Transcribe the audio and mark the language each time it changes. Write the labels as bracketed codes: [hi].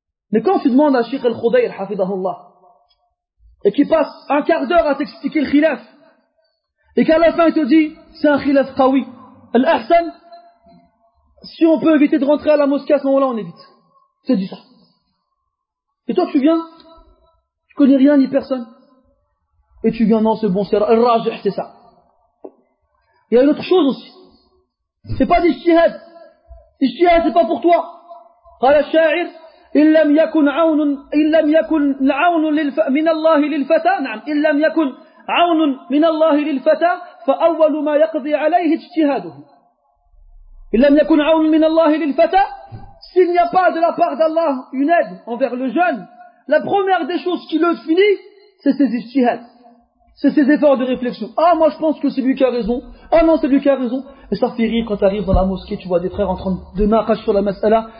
[fr] Mais quand tu demandes à Sheikh al-Khudayr, hafidahullah, et qu'il passe un quart d'heure à t'expliquer le khilaf, et qu'à la fin il te dit, c'est un khilaf qawi, al-ahsan, si on peut éviter de rentrer à la mosquée à ce moment-là, on évite. C'est dit ça. Et toi tu viens, tu connais rien ni personne. Et tu viens, non, c'est bon, c'est Al-Rajih, c'est ça. Il y a une autre chose aussi. C'est pas d'ijtihad. Ijtihad, c'est pas pour toi. [ar] قال الشاعر إن لم يكن عون إن لم يكن عون من الله للفتى نعم إن لم يكن عون من الله للفتى فأول ما يقضي عليه اجتهاده. إن لم يكن عون من الله للفتى, [fr] s'il n'y a pas de la part d'Allah une aide envers le jeune, la première des choses qui le finit, c'est ses ijtihad. c'est ses efforts de réflexion. Ah, moi je pense que c'est lui qui a raison. Ah non, c'est lui qui a raison. Et ça fait rire quand tu arrives dans la mosquée, tu vois des frères en train de naqash sur la masala.